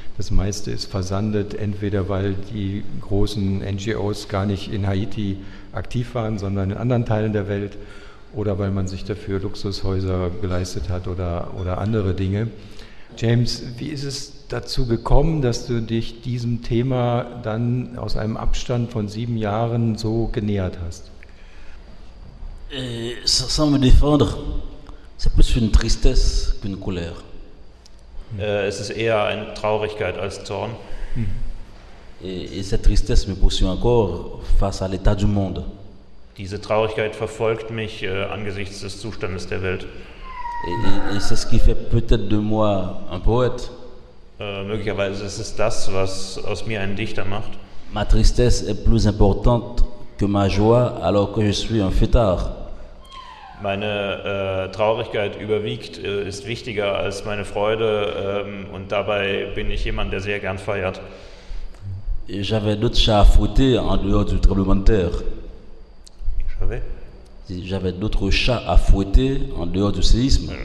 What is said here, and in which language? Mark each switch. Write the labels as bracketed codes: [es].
[de] Das meiste ist versandet, entweder weil die großen NGOs gar nicht in Haiti aktiv waren, sondern in anderen Teilen der Welt, oder weil man sich dafür Luxushäuser geleistet hat oder andere Dinge. James, wie ist es dazu gekommen, dass du dich diesem Thema dann aus einem Abstand von 7 Jahren so genähert hast? [fr] Sans me défendre, c'est plus une tristesse qu'une colère. [de] Es ist eher eine Traurigkeit als Zorn. [fr] Et cette tristesse me poursuit encore face à l'état du monde. [de] Diese Traurigkeit verfolgt mich angesichts des Zustandes der Welt. [fr] Et c'est ce qui fait peut-être de moi un poète. [de] Möglicherweise ist es das, was aus mir einen Dichter macht. [fr] Ma tristesse est plus importante que ma joie alors que je suis un fêtard. [de] Meine Traurigkeit überwiegt, ist wichtiger als meine Freude und dabei bin ich jemand, der sehr gern feiert. [fr] Et j'avais d'autres chats à fouetter en dehors du tremblement de terre. J'avais d'autres chats à fouetter en dehors du séisme.